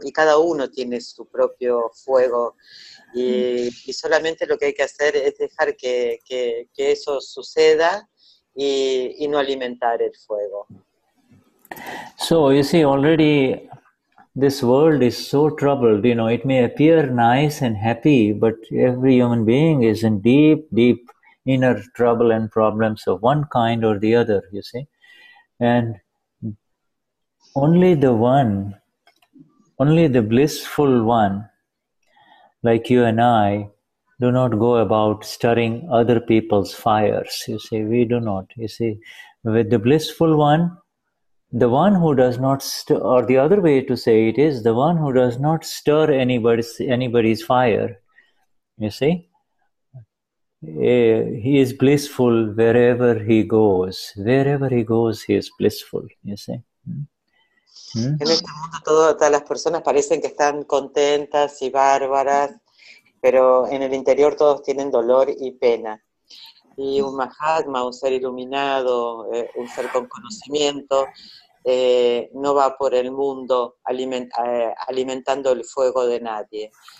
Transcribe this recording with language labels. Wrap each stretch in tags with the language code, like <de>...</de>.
<es>Y cada uno tiene su propio fuego. Y solamente lo que hay que hacer es dejar que eso suceda y no alimentar el fuego.</es> <en>So, you see, already this world is so troubled, you know, it may appear nice and happy, but every human being is in deep, deep inner trouble and problems of one kind or the other, you see. And only the blissful one, like you and I, do not go about stirring other people's fires, you see. We do not, you see. With the blissful one, the one who does not or the other way to say it is, the one who does not stir anybody's fire, you see, he is blissful wherever he goes. Wherever he goes, he is blissful, you see.</en> <es>En este mundo todas las personas parecen que están contentas y bárbaras, pero en el interior todos tienen dolor y pena. Y un Mahatma, un ser iluminado, un ser con conocimiento, no va por el mundo alimentando el fuego de nadie.</es>